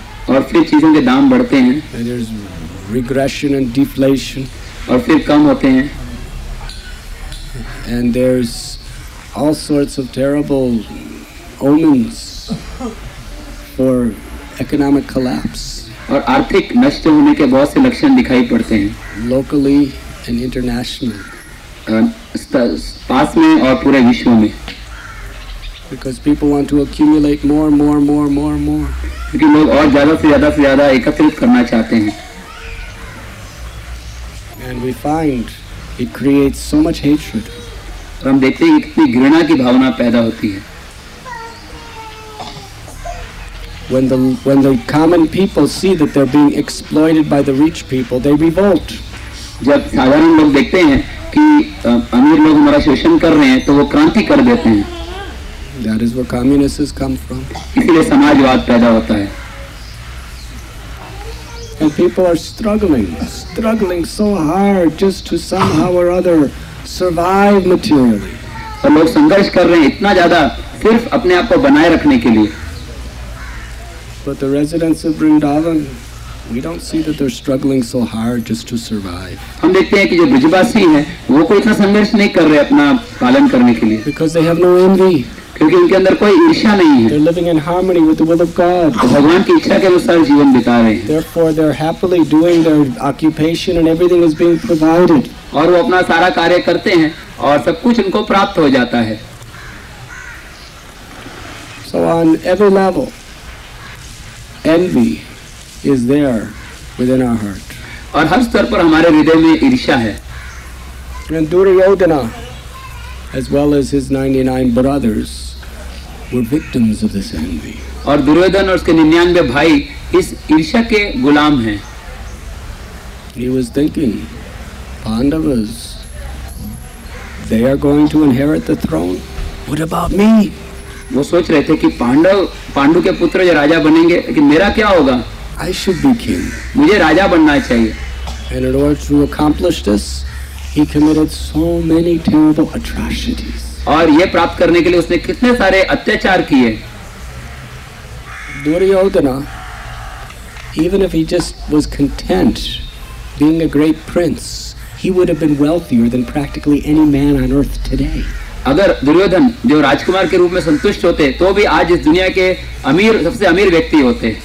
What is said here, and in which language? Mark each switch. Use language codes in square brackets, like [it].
[hi] और फिर चीजों के दाम बढ़ते हैं. [en] And there's regression and deflation. [hi] और फिर कम होते हैं. [en] And there's all sorts of terrible omens for economic collapse. [hi] और आर्थिक नष्ट होने के बहुत से लक्षण दिखाई पड़ते हैं. [en] Locally and internationally. [hi] पास में और पूरे विश्व में. [en] Because people want to accumulate more, more, more, more, more. [hi] क्योंकि लोग और ज्यादा से ज्यादा से ज्यादा एकत्रित करना चाहते हैं. [en] And we find it creates so much hatred. [hi] और हम देखते हैं कितनी घृणा की भावना पैदा होती है. [en] When the common people see that they're being exploited by the rich people, they revolt. [hi] जब साधारण लोग देखते हैं कि अमीर लोग हमारा शोषण कर रहे हैं तो वो क्रांति कर देते हैं. [en] That is where communists come from. [hi] इसलिए समाजवाद पैदा होता है. [en] And people are struggling so hard just to somehow or other survive materially. [hi] और लोग संघर्ष कर रहे हैं इतना ज्यादा सिर्फ अपने आप को बनाए रखने के लिए. [en] But the residents of Vrindavan, we don't see that they're struggling so hard just to survive. [hi] हम देखते हैं कि जो ब्रजवासी हैं वो कोई इतना संघर्ष नहीं कर रहे अपना पालन करने के लिए. [en] Because they have no envy. [hi] क्योंकि उनके अंदर कोई ईर्ष्या नहीं है. [en] They're living in harmony with the will of God. [hi] भगवान की इच्छा के अनुसार जीवन बिता रहे हैं. [en] Therefore they're happily doing their occupation and everything is being provided. [hi] और वो अपना सारा कार्य करते हैं और सब कुछ उनको प्राप्त हो जाता है. [en] So on every level, envy is there within our heart. [hi] और हर स्तर पर हमारे हृदय में ईर्ष्या है. [en] And Duryodhana, as well as his 99 brothers, were victims of this envy. [hi] और दुर्योधन और उसके 99 भाई इस ईर्ष्या के गुलाम हैं. [en] He was thinking, Pandavas, they are going to inherit the throne. What about me? [hi] वो सोच रहे थे कि पांडु के पुत्र जो राजा बनेंगे कि मेरा क्या होगा. [en] I should be king. [hi] मुझे राजा बनना चाहिए. [en] And in order to accomplish this, he committed so many terrible atrocities. [hi] और ये प्राप्त करने के लिए उसने कितने सारे अत्याचार किए. [en] Duryodhana, even if he just was content being a great prince, he would have been wealthier than practically any man on earth today. [hi] अगर दुर्योधन जो राजकुमार के रूप में संतुष्ट होते तो भी आज इस दुनिया के अमीर सबसे अमीर व्यक्ति होते.